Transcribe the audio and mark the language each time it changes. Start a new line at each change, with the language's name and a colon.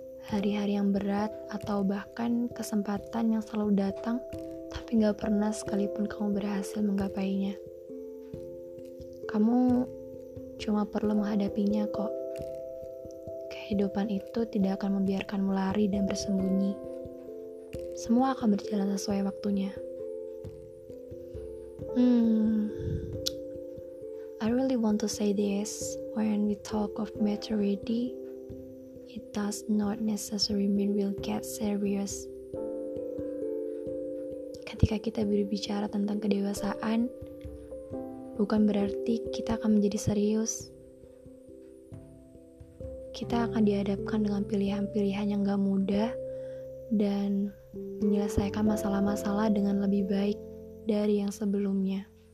Indonesian: Hari-hari yang berat atau bahkan kesempatan yang selalu datang, tapi gak pernah sekalipun kamu berhasil menggapainya. Kamu cuma perlu menghadapinya kok. Kehidupan itu tidak akan membiarkanmu lari dan bersembunyi. Semua akan berjalan sesuai waktunya.
English: I really want to say this. When we talk of maturity, it does not necessarily mean we'll get serious.
Indonesian: Ketika kita berbicara tentang kedewasaan, bukan berarti kita akan menjadi serius. Kita akan dihadapkan dengan pilihan-pilihan yang gak mudah dan menyelesaikan masalah-masalah dengan lebih baik dari yang sebelumnya.